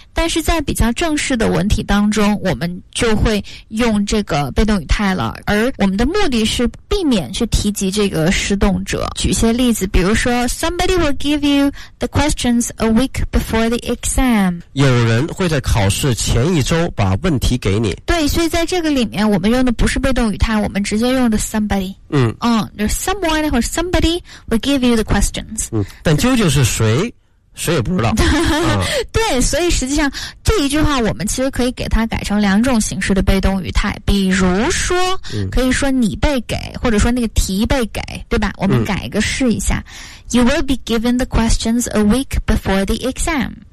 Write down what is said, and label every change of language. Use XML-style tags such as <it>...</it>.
<zh>但是在比较正式的文体当中我们就会用这个被动语态了，而我们的目的是避免去提及这个施动者。举一些例子，比如说</zh> <en>somebody will give you the questions a week before the exam，</en> <zh>有人会在考试前一周把问题给你。对，所以在这个里面我们用的不是被动语态，我们直接用的 somebody。</zh> <en>There's someone or somebody will give you the questions。</en> <zh>但究竟是谁，谁也不知道。对，所以实际上这一句话我们其实可以给它改成两种形式的被动语态，比如说，可以说你被给，或者说那个题被给，对吧？我们改一个试一下。</zh> <en>You will be given the questions a week before the exam。</en>